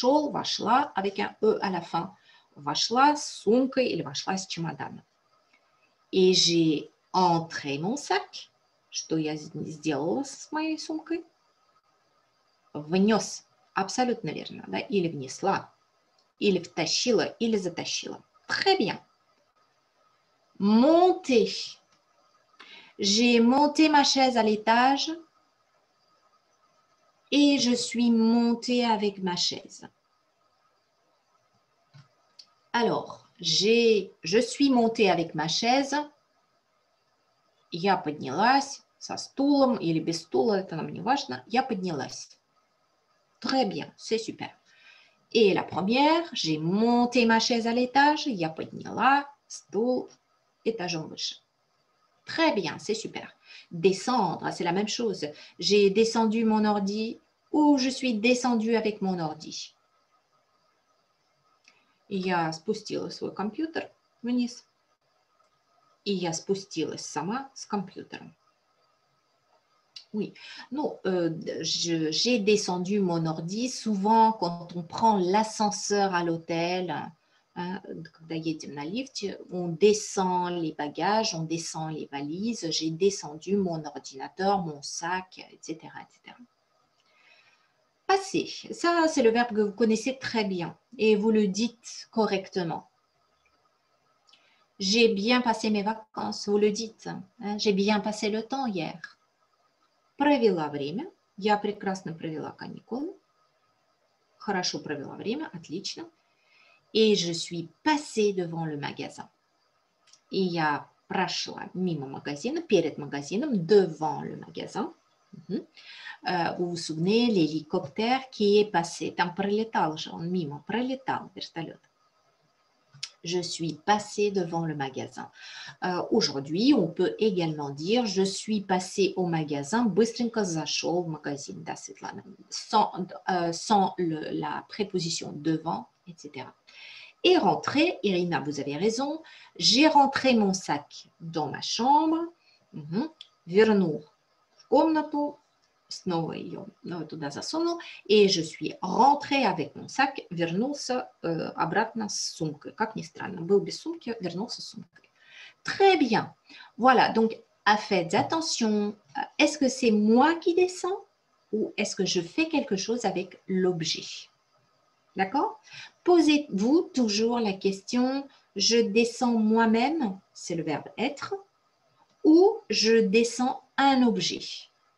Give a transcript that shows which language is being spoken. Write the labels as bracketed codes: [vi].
[ru] Вошла [fr] avec un E à la fin. [ru] Вошла с сумкой или вошла с чемоданом. [fr] Et j'ai entrer mon sac. [ru] Что я сделала с моей сумкой? Внес. Абсолютно верно. Да? Или внесла. Или втащила. Или затащила. [fr] Très bien. Monter. J'ai monté ma chaise à l'étage. Et je suis montée avec ma chaise. Alors, je suis montée avec ma chaise. [ru] Я поднялась со стулом или без стула, это нам не важно. Я поднялась. [fr] Très bien, c'est super. Et la première, j'ai monté ma chaise à l'étage. [ru] Я подняла стул этажом выше. [fr] Très bien, c'est super. Descendre, c'est la même chose. J'ai descendu mon ordi ou je suis descendue avec mon ordi. [ru] Я спустила свой компьютер вниз. И я спустилась сама с компьютером. [fr] Oui. J'ai descendu mon ordi. Souvent, quand on prend l'ascenseur à l'hôtel, on descend les bagages, on descend les valises. J'ai descendu mon ordinateur, mon sac, etc. etc. Passer. Ça, c'est le verbe que vous connaissez très bien et vous le dites correctement. J'ai bien passé mes vacances, vous le dites. Hein? J'ai bien passé le temps hier. [ru] Провела время. Я прекрасно провела каникулы. Хорошо провела время. Отлично. [fr] Et je suis passée devant le magasin. [ru] И я прошла мимо магазина, перед магазином, [fr] devant le magasin. Mm-hmm. Vous vous souvenez, l'hélicoptère qui est passé. [ru] Там пролетал же, он мимо, пролетал вертолет. [fr] Je suis passée devant le magasin. Aujourd'hui, on peut également dire je suis passée au magasin. [ru] Быстренько зашел в магазин, да, Светлана. [fr] Sans la préposition devant, etc. est rentrée. Irina, vous avez raison. J'ai rentré mon sac dans ma chambre. [ru] Верну в комнату. Снова её туда засуну. [fr] Et je suis rentrée avec mon sac. [ru] Вернулся обратно с сумкой. Как ни странно, был без сумки, вернулся с сумкой. [fr] Très bien. Voilà, donc, faites attention. Est-ce que c'est moi qui descends ou est-ce que je fais quelque chose avec l'objet? D'accord? Posez-vous toujours la question « je descends moi-même », c'est le verbe « être », ou « je descends un objet ».